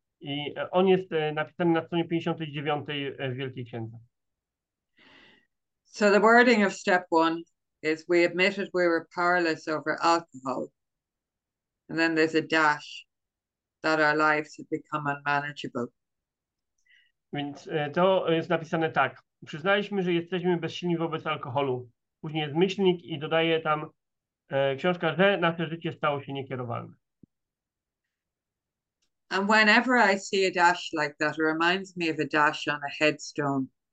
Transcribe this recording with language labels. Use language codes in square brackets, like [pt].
[pl] I on jest napisany na stronie 59 w Wielkiej Księdze. [en] So the wording of step one is we admitted we were powerless over alcohol. And then there's a dash that our lives have become unmanageable. [pl] Więc to jest napisane tak. Przyznaliśmy, że jesteśmy bezsilni wobec alkoholu. Później jest myślnik i dodaje tam książka, że nasze życie stało się niekierowalne. [en] And whenever I see a dash like that, it reminds me of a dash on a headstone.